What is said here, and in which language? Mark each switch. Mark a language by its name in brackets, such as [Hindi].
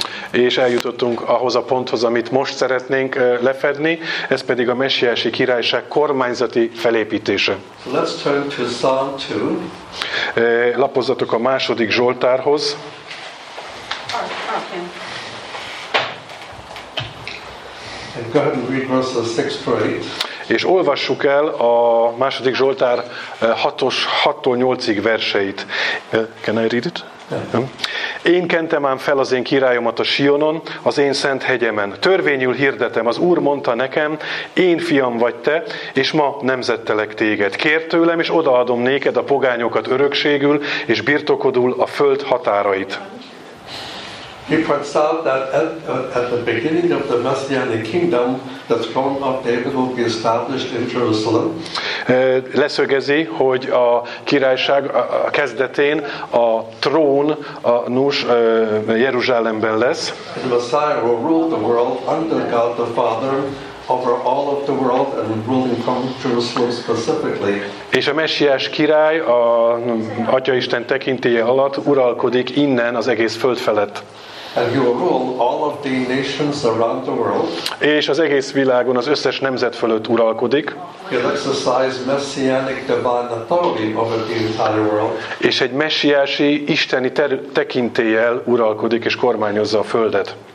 [Hungarian] És eljutottunk ahhoz a ponthoz, amit most szeretnénk lefedni, ez pedig a messiási királyság kormányzati felépítése. [English] So let's turn to Psalm 2. [Hungarian] Lapozzatok a második zsoltárhoz. [English] And go ahead and read verses 6 through 8. [Hungarian] És olvassuk el a második zsoltár 6-8 verseit. [English] Can I read it? [Hungarian] Én kentem ám fel az én királyomat a Sionon, az én szent hegyemen. Törvényül hirdetem, az Úr mondta nekem, én fiam vagy te, és ma nemzettelek téged. Kérd tőlem, és odaadom néked a pogányokat örökségül, és birtokodul a föld határait. [English] He points out that at the beginning of the Messianic kingdom, the throne of David will be established in Jerusalem. [Hungarian] Leszögezi, hogy a királyság a kezdetén a trón a nus Jeruzsálemben lesz. [English] The Messiah will rule the world under God the Father. Over all of the world and ruling from Jerusalem specifically. [Hungarian] És a messiás király a Atyaisten tekintélye alatt uralkodik innen az egész föld felett. [English] And he will rule all of the nations around the world. [Hungarian] És az egész világon az összes nemzet fölött uralkodik. [English] He'll exercise messianic divine authority over the entire world. [Hungarian] És egy messiási isteni tekintéllyel uralkodik és kormányozza a földet.